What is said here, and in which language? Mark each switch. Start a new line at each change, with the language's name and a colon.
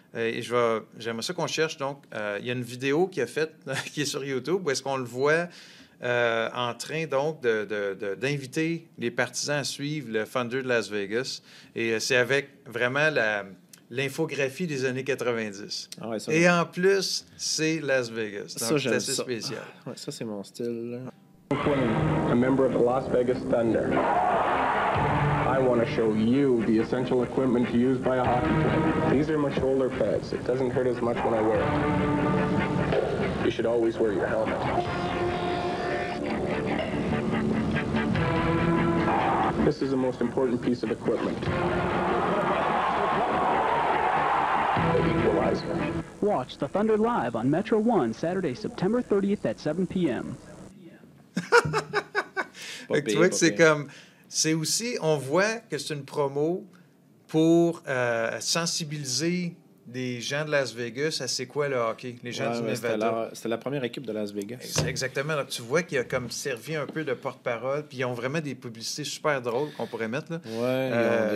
French: Et j'aimerais ça qu'on cherche, donc, il y a une vidéo qui a fait, qui est sur YouTube, où est-ce qu'on le voit en train, donc, d'inviter les partisans à suivre le Thunder de Las Vegas. Et c'est avec vraiment l'infographie des années 90. Ah ouais, ça, et en plus, c'est Las Vegas. Donc, ça, c'est assez spécial. Ah, ouais, ça, c'est mon style.
English: A member of the Las Vegas Thunder. I want to show you the essential equipment to use by a hockey player. These are my shoulder pads. It doesn't hurt as much when I wear it. You should always wear your helmet. This is the most important piece of equipment. Watch the Thunder live on Metro One Saturday, September 30th at 7 p.m.
French: Fait que tu vois que c'est comme, c'est aussi, on voit que c'est une promo pour sensibiliser des gens de Las Vegas à c'est quoi le hockey, les gens du Nevada. C'était la première équipe de Las Vegas. Exactement. Donc, tu vois qu'il a comme servi un peu de porte-parole, puis ils ont vraiment des publicités super drôles qu'on pourrait mettre là,